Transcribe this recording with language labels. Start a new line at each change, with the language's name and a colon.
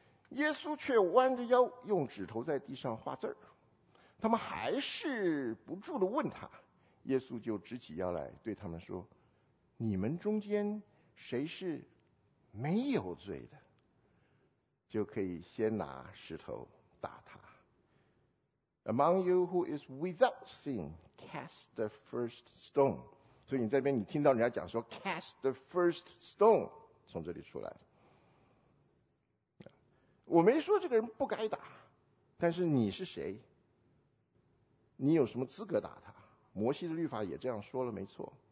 Chinese: 耶稣却弯着腰用指头在地上画字儿。他们还是不住地问他，耶稣就直起腰来对他们说，你们中间谁是没有罪的，就可以先拿石头打他。
English: Among you who is without sin, cast the first stone.
Chinese: 所以你在这边你听到人家讲说
English: cast the first stone,
Chinese: 从这里出来。我没说这个人不该打，但是你是谁？你有什么资格打他？摩西的律法也这样说了，没错。